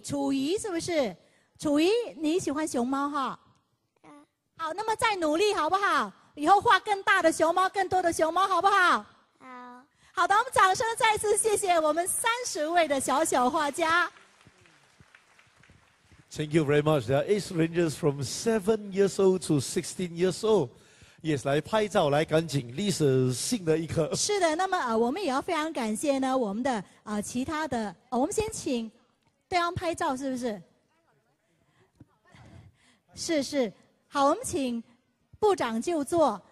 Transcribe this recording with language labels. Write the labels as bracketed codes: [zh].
[zh] 楚怡是不是？楚怡，你喜欢熊猫哈？好，那么再努力好不好？以后画更大的熊猫，更多的熊猫好不好？好的，我们掌声再次谢谢我们30位的小小画家。 [en] Thank you very much. There are 8 rangers from 7 years old to 16 years old. [zh] Yes, 来拍照，来赶紧历史性的一刻。是的，那么我们也要非常感谢呢我们的其他的我们先请对方拍照是不是？是是，好，我们请部长就座。